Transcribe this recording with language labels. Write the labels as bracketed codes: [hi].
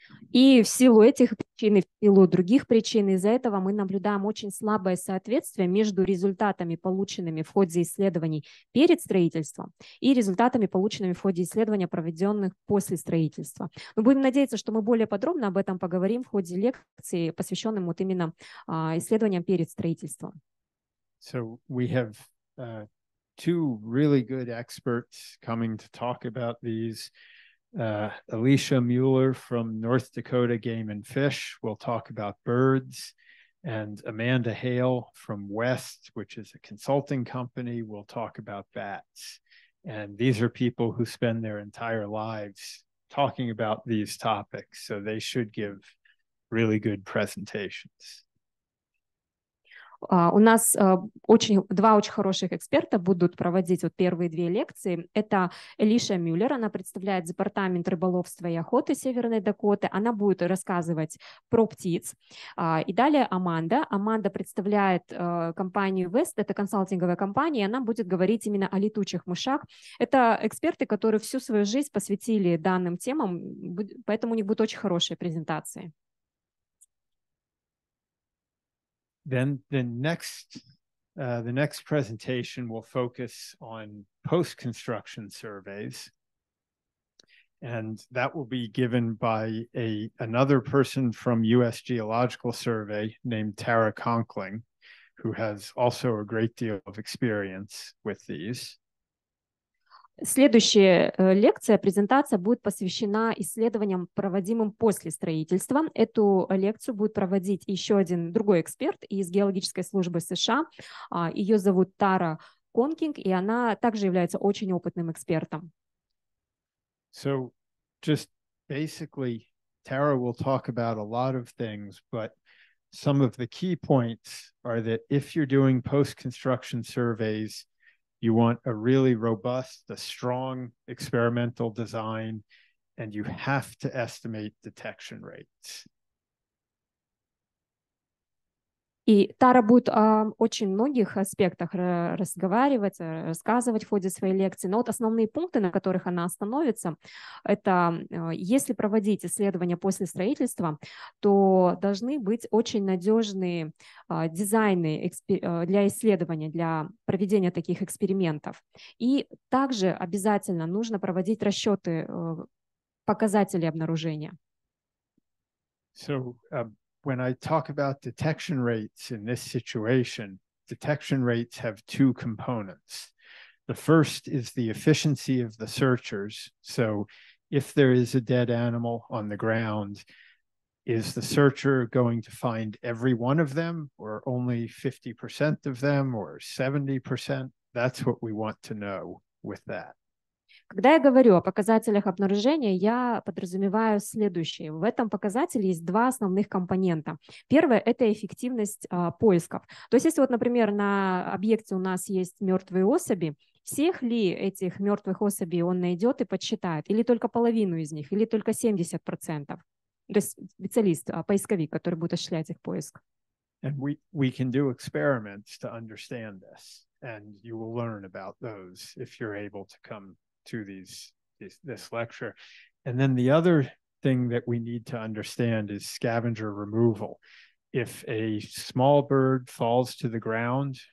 [ru] И в силу этих причин, и в силу других причин, из-за этого мы наблюдаем очень слабое соответствие между результатами, полученными в ходе исследований перед строительством, и результатами, полученными в ходе исследований, проведенных после строительства. Мы будем надеяться, что мы более подробно об этом поговорим в ходе лекции, посвященной вот именно исследованиям перед строительством. [en] So we have two really good experts coming to talk about these. Alicia Mueller from North Dakota Game and Fish will talk about birds, and Amanda Hale from West, which is a consulting company, will talk about bats. And these are people who spend their entire lives talking about these topics, so they should give really good presentations. [ru] У нас два очень хороших эксперта будут проводить вот первые две лекции. Это Элиша Мюллер, она представляет департамент рыболовства и охоты Северной Дакоты. Она будет рассказывать про птиц. И далее Аманда. Аманда представляет компанию West, это консалтинговая компания, и она будет говорить именно о летучих мышах. Это эксперты, которые всю свою жизнь посвятили данным темам, поэтому у них будут очень хорошие презентации. [en] Then the next presentation will focus on post-construction surveys, and that will be given by another person from U.S. Geological Survey named Tara Conkling, who has also a great deal of experience with these. [ru] Следующая лекция, презентация будет посвящена исследованиям, проводимым после строительства. Эту лекцию будет проводить еще один другой эксперт из Геологической службы США. Ее зовут Тара Конкинг, и она также является очень опытным экспертом. [en] So, just basically, Tara will talk about a lot of things, but some of the key points are that if you're doing post-construction surveys, you want a really robust, a strong experimental design, and you have to estimate detection rates. [ru] И Тара будет о очень многих аспектах рассказывать в ходе своей лекции. Но вот основные пункты, на которых она остановится, это если проводить исследования после строительства, то должны быть очень надежные дизайны для исследования, для проведения таких экспериментов. И также обязательно нужно проводить расчеты показателей обнаружения. [en] When I talk about detection rates in this situation, detection rates have two components. The first is the efficiency of the searchers. So if there is a dead animal on the ground, is the searcher going to find every one of them, or only 50% of them, or 70%? That's what we want to know with that. [ru] Когда я говорю о показателях обнаружения, я подразумеваю следующее. В этом показателе есть два основных компонента. Первое – это эффективность поисков. То есть, если вот, например, на объекте у нас есть мертвые особи, всех ли этих мертвых особей он найдет и подсчитает? Или только половину из них? Или только 70%? То есть специалист, поисковик, который будет осуществлять их поиск. [en] And we can do experiments to understand this. And you will learn about those if you're able to come to this lecture. And then the other thing that we need to understand is scavenger removal. If a small bird falls to the ground,